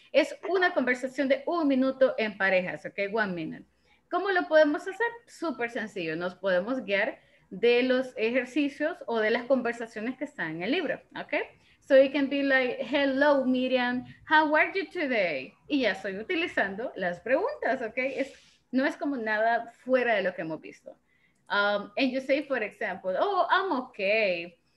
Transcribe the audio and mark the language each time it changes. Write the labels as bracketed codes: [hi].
[es] Es una conversación de un minuto en parejas, ok, [en] 1 minute. [es] ¿Cómo lo podemos hacer? Súper sencillo, nos podemos guiar de los ejercicios o de las conversaciones que están en el libro, ok. [en] So it can be like, hello Miriam, how are you today? [es] Y ya estoy utilizando las preguntas, ok. No es como nada fuera de lo que hemos visto. [en] And you say, for example, oh, I'm okay.